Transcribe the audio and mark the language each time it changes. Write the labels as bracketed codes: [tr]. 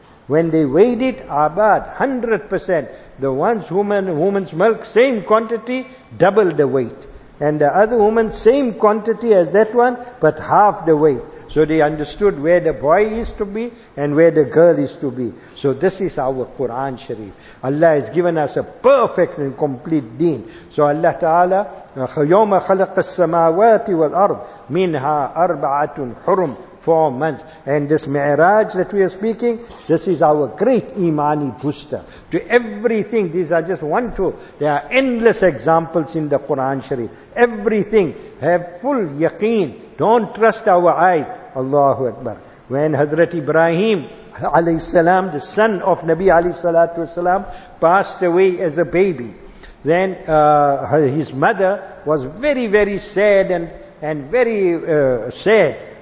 [en] When they weighed it, abad, 100%. The one's woman's milk, same quantity, double the weight. And the other woman, same quantity as that one, but half the weight. So they understood where the boy is to be and where the girl is to be. So this is our Quran Sharif. Allah has given us a perfect and complete deen. [ar] So Allah Ta'ala, يَوْمَ خَلَقَ السَّمَاوَاتِ وَالْأَرْضِ مِنْهَا أَرْبَعَةٌ حُرُمْ [en] 4 months. And this Mi'raj that we are speaking, this is our great Imani booster. To everything, these are just one, two. There are endless examples in the Quran Sharif. Everything, have full yaqeen. Don't trust our eyes. Allahu Akbar. When Hazrat Ibrahim alayhi salam, the son of Nabi alayhi salatu wasalam, passed away as a baby, then his mother was very, very sad and very sad.